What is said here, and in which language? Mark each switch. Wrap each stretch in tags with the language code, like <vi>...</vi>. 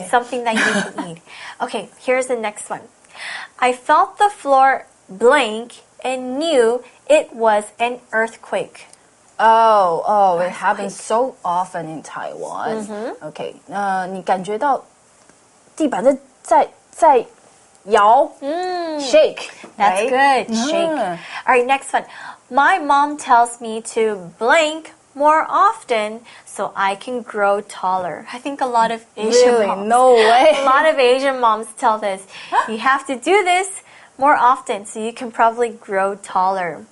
<en>It's something that you can eat. Okay, here's the next one. I felt the floor blank and knew it was an earthquake. Oh, earthquake. It happens so often in Taiwan.</en> <zh>Okay, 你感觉到地板在摇 shake.</zh> <en>That's good, shake. Alright, next one. My mom tells me to blank more often so I can grow taller. I think a lot of Asian really? moms. No way. A lot of Asian moms tell this. You have to do this more often so you can probably grow taller.</en>